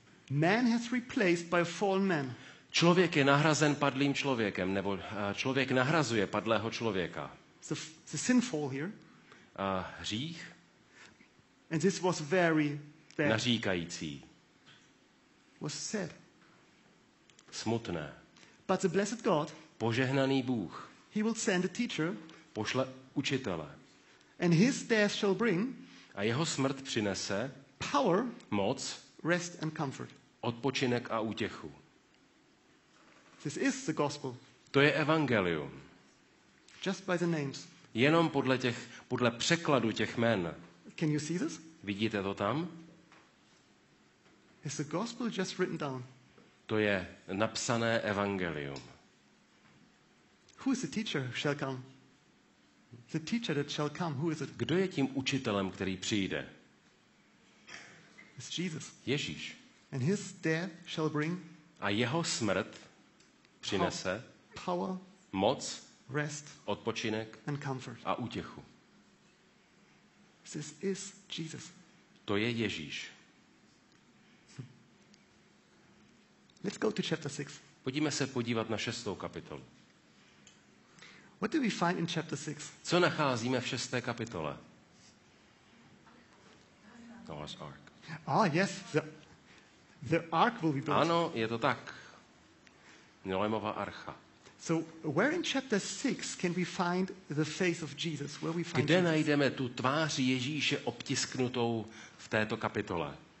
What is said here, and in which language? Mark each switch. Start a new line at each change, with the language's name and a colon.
English: Man has replaced by a fallen man.
Czech: Člověk je nahrazen padlým člověkem, nebo člověk nahrazuje padlého člověka.
English: The sinful here.
Czech: A hřích.
English: And this was very bad.
Czech: Naříkající.
English: Was sad.
Czech: Smutné.
English: But the blessed God.
Czech: Požehnaný Bůh.
English: He will send a teacher.
Czech: Pošle učitele.
English: And his death shall bring.
Czech: A jeho smrt přinese.
English: Power.
Czech: Moc.
English: Rest and comfort.
Czech: Odpočinek a útěchu.
English: This is the gospel.
Czech: To je evangelium.
English: Just by the names.
Czech: Jenom podle překladu těch jmen.
English: Can you see this?
Czech: Vidíte to tam?
English: Is the gospel just written down?
Czech: To je napsané evangelium.
English: Who is the teacher who shall come? The teacher that shall come, who is it?
Czech: Kdo je tím učitelem, který přijde?
English: It's Jesus.
Czech: Ježíš.
English: And his death shall bring.
Czech: A jeho smrt přinese.
English: Power.
Czech: Moc.
English: Rest.
Czech: Odpočinek.
English: And comfort.
Czech: A útěchu.
English: This is Jesus.
Czech: To je Ježíš.
English: Let's go to chapter 6.
Czech: Pojďme se podívat na 6. kapitolu.
English: What do we find in chapter 6?
Czech: Co nacházíme v 6. kapitole?
English: Noah's ark. Ah, yes. The ark will be built.
Czech: Ano, je to tak. Noémova archa.
English: So, where in chapter 6 can we find the face of Jesus? Where we find
Czech: Kde najdeme tu tvář Ježíše obtisknutou v této kapitole?